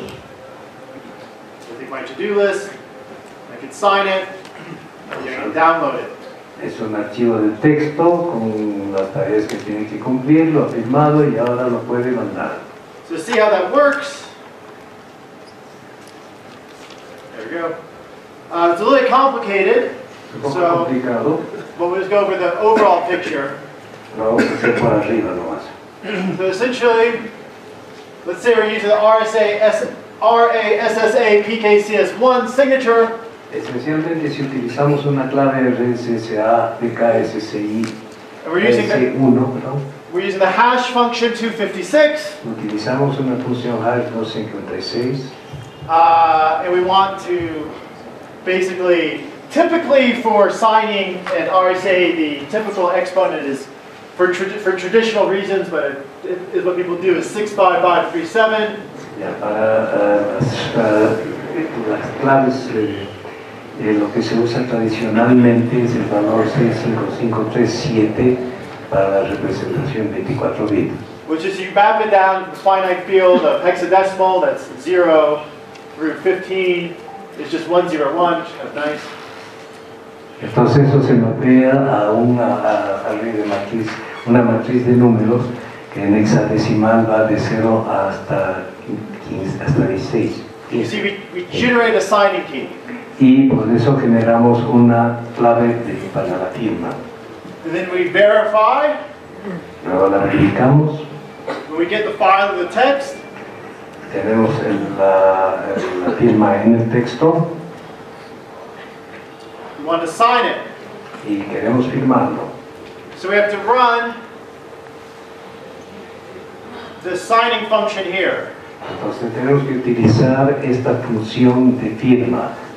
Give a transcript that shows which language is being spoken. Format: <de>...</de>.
<en>I think my to-do list, I can sign it. Download it.</en> <es>Es un archivo de texto con las tareas que tiene que cumplir, lo ha firmado y ahora lo puede mandar.</es> <en>So see how that works. There we go. It's a little complicated.</en> <es>Complicado.</es> <en>But we'll just go over the overall picture.</en> <es>Vamos a hacer por arriba nomás.</es> <en>So essentially, let's say we're using the RASSA PKCS1 signature.</en> <es>Especialmente si utilizamos una clave RSSA, PKSSI,</es> <en>we're using the hash function 256.</en> <es>Utilizamos una función hash 256.</es> <en>And we want to basically, typically for signing an RSA, the typical exponent is, for traditional reasons, but it is what people do, is 65537.</en> <es>Yeah, las claves. Lo que se usa tradicionalmente es el valor 65537 para la representación 24 bits.</es> <en>Which is you map it down to the finite field of hexadecimal, that's 0 through 15, it's just 101, which is nice.</en> <es>Entonces eso se mapea a una array de matriz, una matriz de números que en hexadecimal va de 0 hasta 15, hasta 16.</es> <en>You see, we generate a signing key.</en> <es>Y por eso generamos una clave para la firma.</es> <en>And then we verify.</en> <es>Luego la verificamos.</es> <en>When we get the file of the text.</en> <es>Tenemos la firma en el texto.</es> <en>We want to sign it.</en> <es>Y queremos firmarlo.</es> <en>So we have to run the signing function here.</en> <es>Entonces tenemos que utilizar esta función de firma.</es>